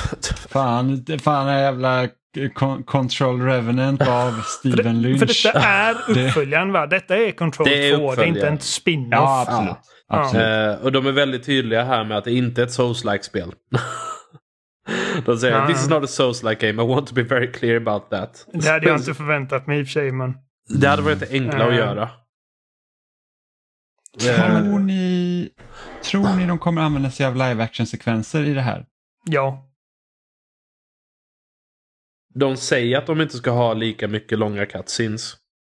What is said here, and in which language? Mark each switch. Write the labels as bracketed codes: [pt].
[sv] Fan, fan är jävla Control Revenant av Stephen Lynch. För detta är uppföljaren, va? Detta är Control 2, det är inte en spin-off. Ja, absolut. Ja. Och de är väldigt tydliga här med att det inte är ett Souls-like-spel. De säger, [en] this is not a Souls-like game, I want to be very clear about that. [sv] Det hade jag inte förväntat mig i och för sig, men... Det hade varit enkla att göra. Tror ni de kommer använda sig av live action sekvenser i det här? Ja. De säger att de inte ska ha lika mycket långa cutscenes.